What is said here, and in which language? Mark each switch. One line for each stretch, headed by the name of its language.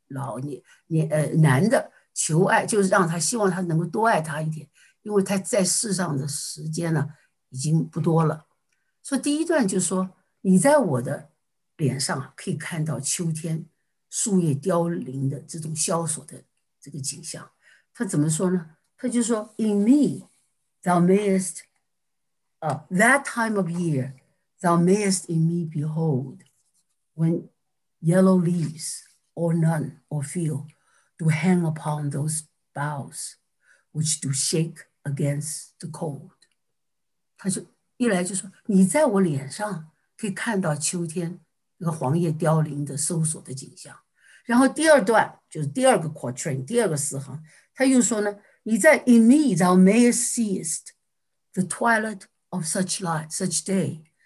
Chinese: 老年男的求爱，就是让他希望他能够多爱他一点，因为他在世上的时间呢已经不多了。说第一段就说你在我的脸上可以看到秋天树叶凋零的这种萧索的这个景象。他怎么说呢？他就说
English: In me, thou mayest, that time of year, thou mayest in me behold when yellow leaves. Or none, or few, do hang upon those boughs, which do shake against the cold.
Chinese: 他就一来就说，你在我脸上可以看到秋天那个黄叶凋零的收缩的景象。然后第二段就是第二个 quatrain，第二个四行，他又说呢，你在
English: in me thou mayest seest the twilight of such light, such day.